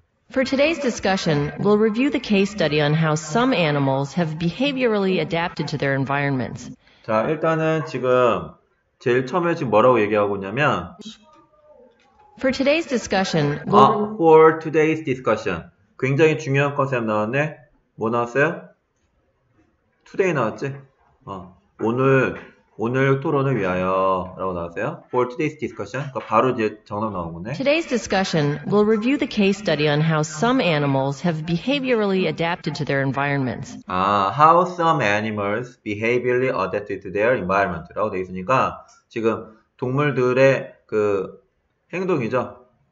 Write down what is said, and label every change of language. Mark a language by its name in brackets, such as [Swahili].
[English] For today's discussion, we'll review the case study on how some animals have behaviorally adapted to their environments. [Korean] 자, 일단은 지금 제일 처음에 지금 뭐라고 얘기하고 있냐면 [English] For today's discussion, for today's discussion. [Korean] 굉장히 중요한 컨셉 나왔네. 뭐 나왔어요? Today 나왔지? 오늘 토론을 위하여 라고 나왔어요. [English] For today's discussion. [Korean] 그러니까 바로 이제 정답 나온 거네. [English] Today's discussion will review the case study on how some animals have behaviorally adapted to their environments. [Korean] 아, how some animals behaviorally adapted to their environment 라고 되어 있으니까 지금 동물들의 그 행동이죠.